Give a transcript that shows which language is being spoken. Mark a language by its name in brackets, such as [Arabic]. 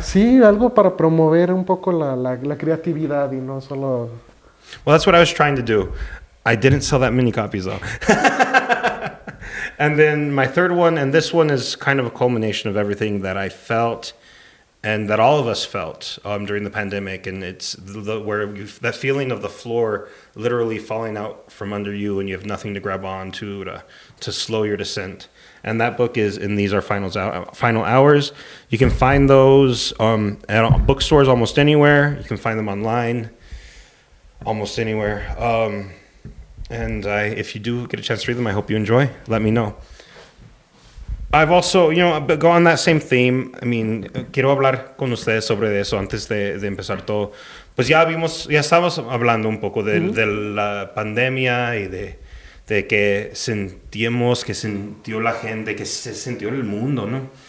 [Spanish] Sí, algo para promover un poco la creatividad y no solo. [English] Well, that's what I was trying to do. I didn't sell that many copies though. And then my third one, and this one is kind of a culmination of everything that I felt and that all of us felt during the pandemic, and it's that feeling of the floor literally falling out from under you and you have nothing to grab on to slow your descent. And that book is in These Are Final Hours. You can find those at bookstores almost anywhere. You can find them online almost anywhere. If you do get a chance to read them, I hope you enjoy. Let me know. I've also, go on that same theme. I mean, [Spanish] quiero hablar con ustedes sobre eso antes de empezar todo. Pues ya estamos hablando un poco de la pandemia y de que sentimos, que sintió la gente, que se sintió el mundo, ¿no?